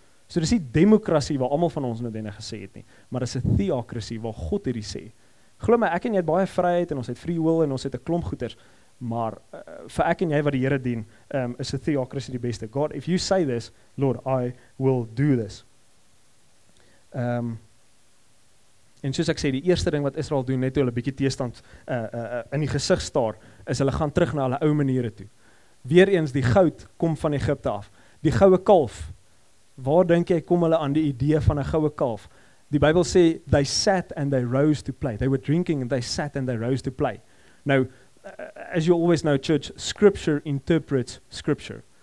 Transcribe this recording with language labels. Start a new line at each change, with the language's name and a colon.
Afrikaans: So dis nie demokrasie waar almal van ons nou denne gesê het nie, maar dis 'n theocracy waar God hierdie sê. Glo my, ek en jy het baie vryheid en ons het free will en ons het 'n klomp goeders, maar vir ek en jy wat die Here dien, is 'n theocracy die beste.
English: God, if you say this, Lord, I will do this.
Afrikaans: En soos ek sê, die eerste ding wat Israel doen, net toe hulle bietjie teestand in die gesig staar, is hulle gaan terug na hulle ou maniere toe. Weereens, die goud kom van Egipte af. Die goue kalf, waar dink jy kom hulle aan die idee van 'n goue kalf? Die Bybel sê,
English: they sat and they rose to play. They were drinking and they sat and they rose to play. Nou, as you always know, church, scripture interprets scripture.